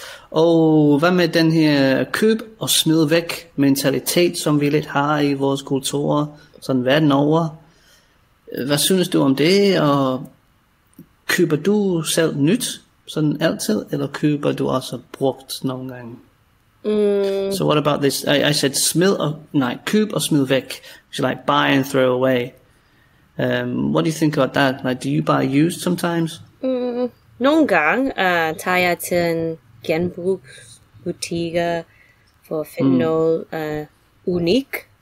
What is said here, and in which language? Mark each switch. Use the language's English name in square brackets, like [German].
[Danish] Og hvad med den her køb og smid væk mentalitet, som vi lidt har i vores kulturer, sådan verden over? Hvad synes du om det, og køber du selv nyt, sådan altid, eller køber du også brugt nogle gange? [English] So what about this? I said [Danish] køb og smid væk, [English] which is like buy and throw away. What do you think about that? Like, do you buy used sometimes? [Danish] Nogle gange tager jeg til en genbrugsbutikker for at finde noget unik.